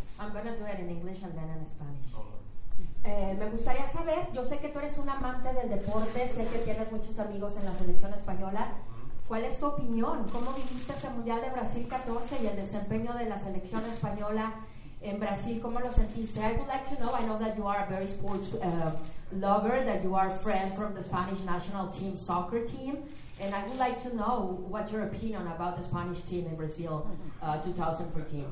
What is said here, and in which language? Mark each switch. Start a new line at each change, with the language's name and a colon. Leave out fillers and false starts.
English: I'm going to do it in English and then in Spanish.
Spanish: Me gustaría saber, yo sé que tú eres un amante del deporte, sé que tienes muchos amigos en la selección española. ¿Cuál es tu opinión? ¿Cómo viviste ese Mundial de Brasil 14 y el desempeño de la selección española en Brasil? ¿Cómo lo sentiste?
English: I would like to know, I know that you are a very sports lover, that you are a friend from the Spanish national team, soccer team. And I would like to know what's your opinion about the Spanish team in Brazil 2014.